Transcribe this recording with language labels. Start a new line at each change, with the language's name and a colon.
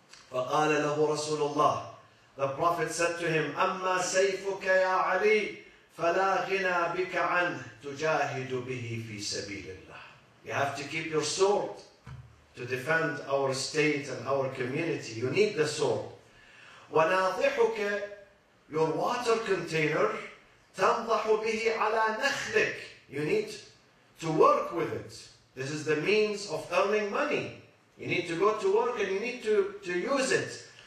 Arabic: فَقَالَ لَهُ رَسُولُ اللَّهِ,
English: the Prophet said to him,
Arabic: أَمَّا سَيْفُكَ يَا عَلِي فَلَا غِنَى بِكَ عَنْهِ تُجَاهِدُ بِهِ فِي سَبِيلِ اللَّهِ.
English: You have to keep your sword to defend our state and our community. You need the sword.
Arabic: وَنَاضِحُكَ,
English: your water container,
Arabic: تَنْضَحُ بِهِ عَلَى نَخْلِكَ.
English: You need to work with it. This is the means of earning money. You need to go to work and you need to use it.